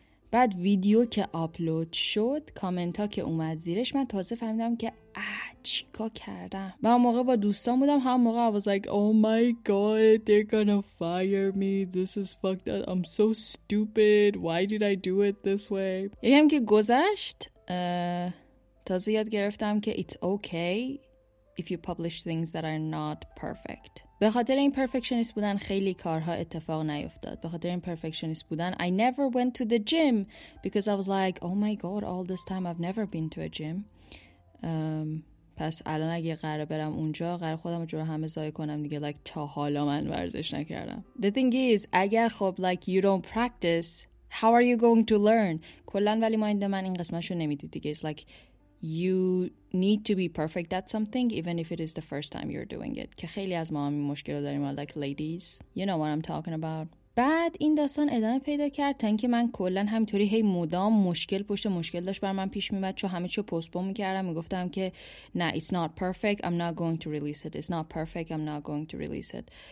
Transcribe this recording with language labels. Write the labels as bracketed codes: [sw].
[fa] بعد ویدیو که آپلود شد کامنت ها که اومد زیرش من تازه فهمیدم که اه چیکا کردم و اون موقع با دوستان بودم همون موقع [en] I was like oh my god they're gonna fire me this is fucked up I'm so stupid why did I do it this way [fa] یکم که گذشت تازه یاد گرفتم که [en] it's okay if you publish things that are not perfect [fa] به خاطر این پرفکشنیست بودن خیلی کارها اتفاق نیفتاد. به خاطر این پرفکشنیست بودن [en] I never went to the gym because I was like, oh my god, all this time I've never been to a gym. [fa] پس الان اگه قرار برم اونجا قرار خودم رو جور همه ضایع کنم دیگه like تا حالا من ورزش نکردم. [en] The thing is, اگر خب like you don't practice, how are you going to learn? [fa] کلن ولی مایند من این قسمتشو نمیدید دیگه. [en] It's like You need to be perfect at something, even if it is the first time you're doing it. [fa] که خیلی از ما همین مشکل رو داریم, [en] like ladies. You know what I'm talking about. [fa] بعد این داستان ادامه پیدا کرد تا اینکه من کلن همینطوری هی مدام مشکل پشت مشکل داشت بر من پیش میمد چون همه چی رو پستپون میکردم میگفتم که نه, [en] it's not perfect, I'm not going to release it. It's not perfect, I'm not going to release it.